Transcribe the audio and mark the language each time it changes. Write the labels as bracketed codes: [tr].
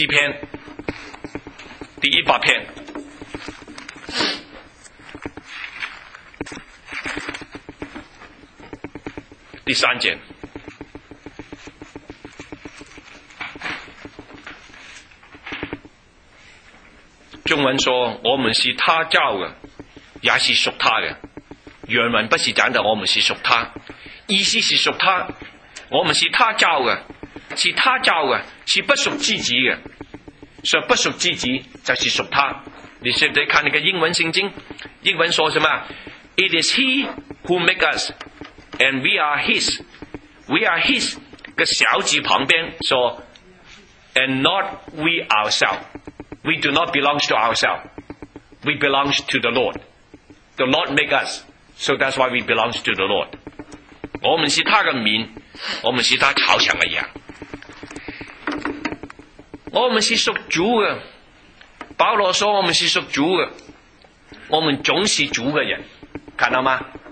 [zh] 诗篇第100篇，第3节，中文说我们是他造的，也是属他的。原文不是讲的我们是属他，意思是属他，我们是他造的，是他造的，是不属自己的。所以不属自己就是属他。你现在看那个英文圣经，英文说什么？ [en] It is he who make us and we are his. We are his [zh] 个小字旁边说 [en] and not we ourselves. We do not belong to ourselves. We belong to the Lord. The Lord make us. So that's why we belong to the Lord. [zh] 我们是他的民，我们是他朝向的羊。我们是属主的，保罗说我们是属主的，我们总是主的人，看到吗？